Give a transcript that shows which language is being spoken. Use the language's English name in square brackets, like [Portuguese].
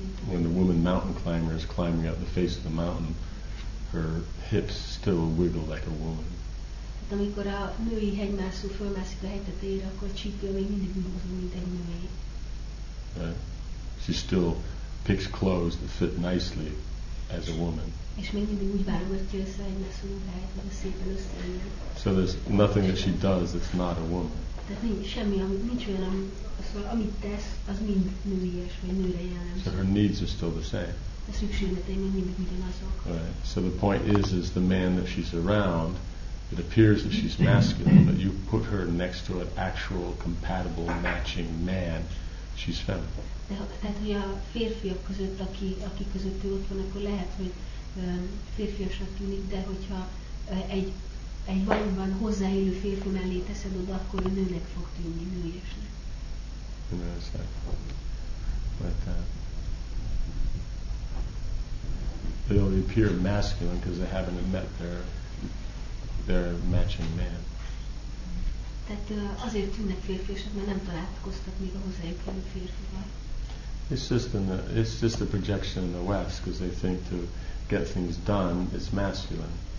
[English] When the woman mountain climber is climbing up the face of the mountain, her hips still wiggle like a woman. [Hungarian] Amikor a női hegymászó fölmászik a hegytetejére, akkor csípő még mindig mozog, mint egy női. [English] Right. She still picks clothes that fit nicely as a woman. [Hungarian] És még mindig úgy válogatja össze a hegymászó ruháját, hogy szépen összeérjen. [English] So there's nothing that she does that's not a woman. [Hungarian] Tehát semmi, nincs olyan, amit tesz, az mind nőies, vagy nőre jellemző. [English] So her needs are still the same. [Hungarian] A szükségletei még mindig ugyanazok. [English] Right. So the point is the man that she's around, it appears that she's masculine, but you put her next to an actual compatible, matching man, she's feminine. [Hungarian] De tehát, hogy a férfiak között, aki között ott van, akkor lehet, hogy férfiasnak tűnik, de hogyha egy valóban hozzáélő férfi mellé teszed oda, akkor a nőnek fog tűnni, nőjesnek. [English] Like that. they only appear masculine because they haven't met their matching man. It's just a projection in the West because they think to get things done is masculine.